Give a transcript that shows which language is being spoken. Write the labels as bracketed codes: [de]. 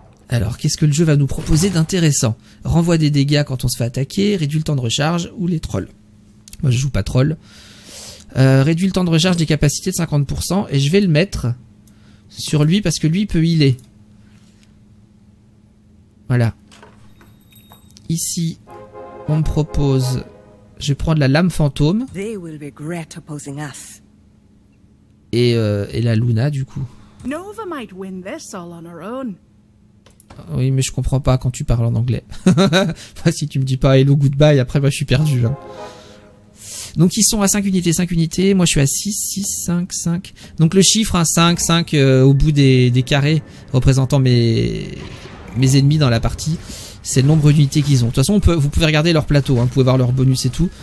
[fr] Alors, qu'est-ce que le jeu va nous proposer d'intéressant? Renvoie des dégâts quand on se fait attaquer, réduit le temps de recharge ou les trolls. Moi, je joue pas troll. Réduit le temps de recharge des capacités de 50% et je vais le mettre sur lui parce que lui, il peut healer. Voilà. Ici, on me propose... Je vais prendre la lame fantôme. [en] They will regret opposing us. [fr] Et la Luna, du coup. [en] Nova might win this all on her own. [fr] Oui, mais je comprends pas quand tu parles en anglais. Si tu me dis pas hello, goodbye, après moi je suis perdu. Hein. Donc ils sont à 5 unités, 5 unités. Moi je suis à 6, 6, 5, 5. Donc le chiffre, hein, 5, 5 au bout des carrés représentant mes ennemis dans la partie, c'est le nombre d'unités qu'ils ont. De toute façon, vous pouvez regarder leur plateau, hein, vous pouvez voir leur bonus et tout.